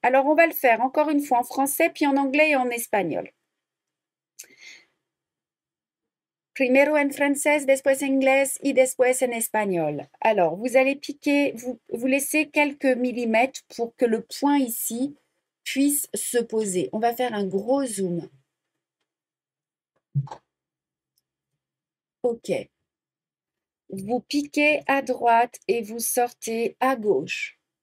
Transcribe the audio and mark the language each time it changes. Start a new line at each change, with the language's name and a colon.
French: Alors, on va le faire encore une fois en français, puis en anglais et en espagnol.
Spanish: Primero en francés, después en inglés y después en español.
French: Alors, vous allez piquer, vous laissez quelques millimètres pour que le point ici puisse se poser. On va faire un gros zoom. OK. Vous piquez à droite et vous sortez à gauche.